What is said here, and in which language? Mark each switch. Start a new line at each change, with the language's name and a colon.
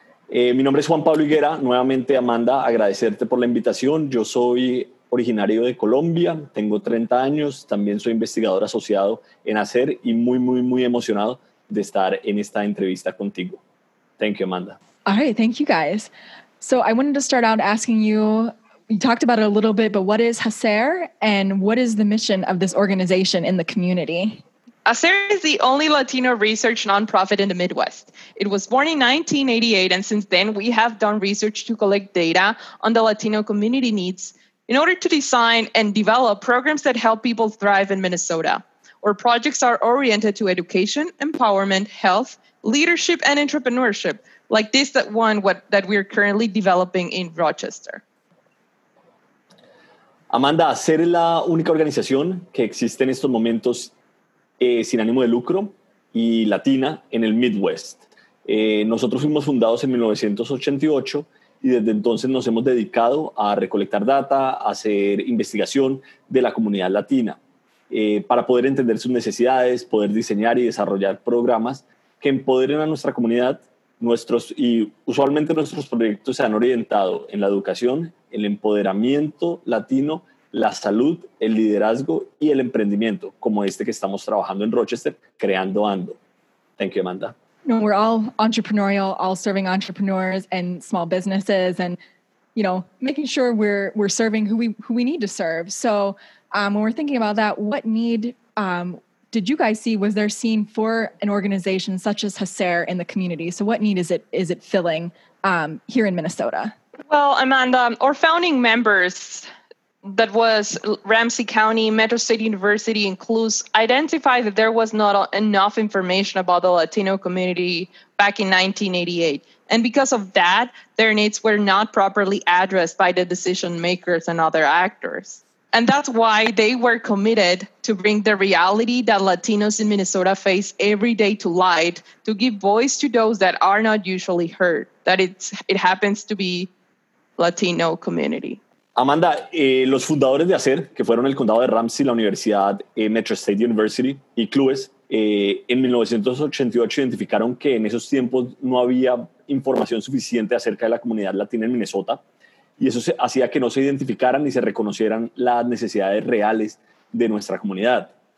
Spanish: Mi nombre es Juan Pablo Higuera. Nuevamente, Amanda, agradecerte por la invitación. Yo soy originario de Colombia, tengo 30 años, también soy investigador asociado en HACER y muy, muy, muy emocionado de estar en esta entrevista contigo.
English: Thank you, Amanda. All right. Thank you, guys. So I wanted to start out asking you, you talked about it a little bit, but what is HACER and what is the mission of this organization in the community? HACER is the only Latino research nonprofit in the Midwest. It was born in 1988, and since then we have done research to collect data on the Latino community needs in order to design and develop programs that help people thrive in Minnesota. Our projects are oriented to education, empowerment, health, leadership, and entrepreneurship, like this that we're currently developing in Rochester.
Spanish: Amanda, HACER es la única organización que existe en estos momentos sin ánimo de lucro y latina en el Midwest. Nosotros fuimos fundados en 1988 y desde entonces nos hemos dedicado a recolectar data, a hacer investigación de la comunidad latina para poder entender sus necesidades, poder diseñar y desarrollar programas que empoderen a nuestra comunidad. Usualmente nuestros proyectos se han orientado en la educación, el empoderamiento latino, la salud, el liderazgo y el emprendimiento, como este que estamos trabajando en Rochester, creando Ando.
English: Thank you, Amanda. No, we're all entrepreneurial, all serving entrepreneurs and small businesses, and you know, making sure we're serving who we need to serve. So, when we're thinking about that, what need did you guys see? Was there seen for an organization such as HACER in the community? So, what need is it filling here in Minnesota? Well, Amanda, our founding members, that was Ramsey County, Metro State University, and Clues, identified that there was not enough information about the Latino community back in 1988. And because of that, their needs were not properly addressed by the decision makers and other actors. And that's why they were committed to bring the reality that Latinos in Minnesota face every day to light, to give voice to those that are not usually heard, that it happens to be Latino community.
Spanish: Amanda, los fundadores de HACER, que fueron el condado de Ramsey, la Universidad Metro State University y Clues, en 1988 identificaron que en esos tiempos no había información suficiente acerca de la comunidad latina en Minnesota, y eso hacía que no se identificaran ni se reconocieran las necesidades reales de nuestra comunidad.